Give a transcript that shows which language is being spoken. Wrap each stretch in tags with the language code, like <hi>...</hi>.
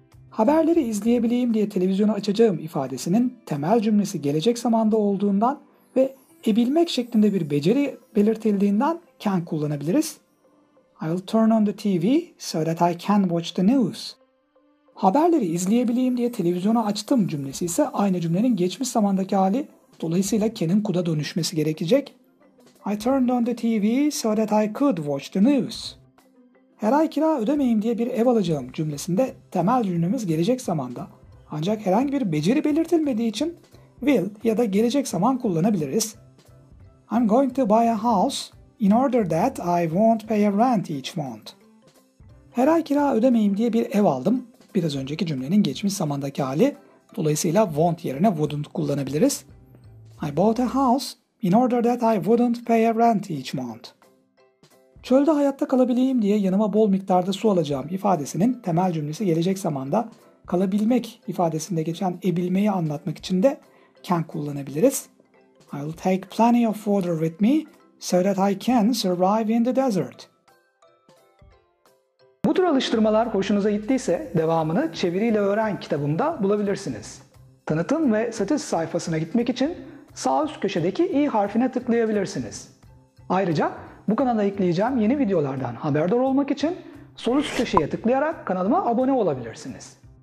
<tr>haberleri izleyebileyim diye televizyonu açacağım ifadesinin temel cümlesi gelecek zamanda olduğundan ve ebilmek şeklinde bir beceri belirtildiğinden can kullanabiliriz.</tr> <en>I'll turn on the TV so that I can watch the news.</en> <tr>Haberleri izleyebileyim diye televizyonu açtım cümlesi ise aynı cümlenin geçmiş zamandaki hali, dolayısıyla can'in could'a dönüşmesi gerekecek.</tr> <en>I turned on the TV so that I could watch the news.</en> <tr>Her ay kira ödemeyeyim diye bir ev alacağım cümlesinde temel cümlemiz gelecek zamanda. Ancak herhangi bir beceri belirtilmediği için will ya da gelecek zaman kullanabiliriz.</tr> <en>I'm going to buy a house in order that I won't pay a rent each month.</en> <tr>Her ay kira ödemeyeyim diye bir ev aldım. Biraz önceki cümlenin geçmiş zamandaki hali. Dolayısıyla won't yerine wouldn't kullanabiliriz.</tr> <en>I bought a house in order that I wouldn't pay a rent each month.</en> <tr>Çölde hayatta kalabileyim diye yanıma bol miktarda su alacağım ifadesinin temel cümlesi gelecek zamanda kalabilmek ifadesinde geçen ebilmeyi anlatmak için de can kullanabiliriz.</tr> <en>I'll take plenty of water with me so that I can survive in the desert.</en> <tr>Bu tür alıştırmalar hoşunuza gittiyse devamını Çeviriyle Öğren kitabımda bulabilirsiniz. Tanıtım ve satış sayfasına gitmek için sağ üst köşedeki i harfine tıklayabilirsiniz. Ayrıca bu kanala ekleyeceğim yeni videolardan haberdar olmak için sol üst köşeye tıklayarak kanalıma abone olabilirsiniz.</tr>